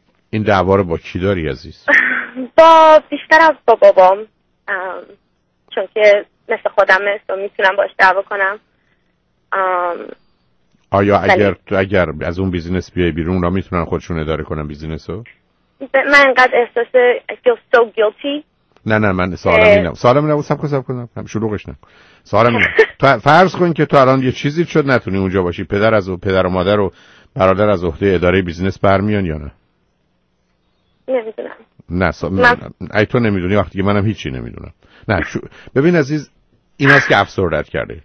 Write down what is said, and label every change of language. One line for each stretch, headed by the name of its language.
Persian: این دعوا رو با کی داری عزیز؟ با بیشتر از با بابام، چون که مثل خودمه و میتونم باش دعوا کنم. آیا بلی. اگر از اون بیزینس بیای بیرون، را میتونن خودشون اداره کنن بیزینسو؟ من انقدر احساس
English: I feel so guilty.
Persian: نه من سوالم اینه. سوالم اینه، سب کنم. شلوغش نکن. سوالم اینه. تو فرض کن که تو الان یه چیزی شد نتونی اونجا باشی. پدر و مادر و برادر از عهده اداره بیزینس برمیان یا نه؟ نمیدونم. ای تو نمیدونی، وقتی منم هیچی نمیدونم. نه ببین عزیز، ایناست که افسردت کرده.